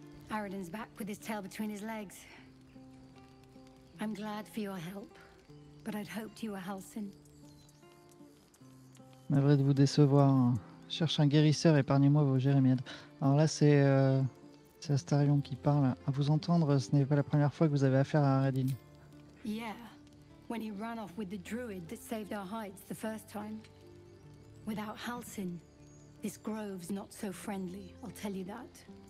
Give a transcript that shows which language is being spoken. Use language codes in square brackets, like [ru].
[en] Aridin's back with his tail between his legs. I'm glad for your help, but I'd hoped you were Halsin. [fr] Navré de vous décevoir. Cherche un guérisseur, épargnez-moi vos jérémiades. Alors là, c'est Astarion qui parle. À vous entendre, ce n'est pas la première fois que vous avez affaire à Aridin. [en] Yeah. When he ran off with the druid that saved our hides the first time. Without Halsin, this grove's not so friendly, I'll tell you that.